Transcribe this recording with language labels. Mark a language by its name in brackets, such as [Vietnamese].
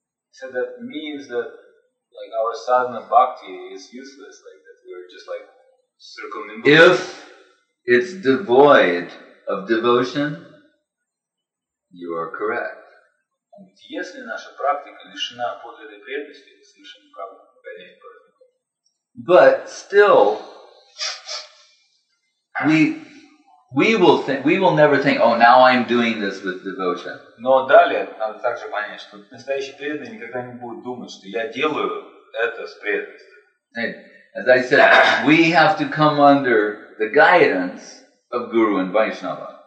[English] So that means that like our sadhana bhakti is useless, like that we're just like circumambulating. If it's devoid of devotion, you are correct. [Russian] Если наша практика лишена подлинной преданности, то совершенно правильно. [English] But still, we will never think, oh, now I'm doing this with devotion. [Russian] Но далее надо также понять, что настоящий преданный никогда не будет думать, что я делаю это с преданностью. [English] As I said, we have to come under the guidance of Guru and Vaishnava.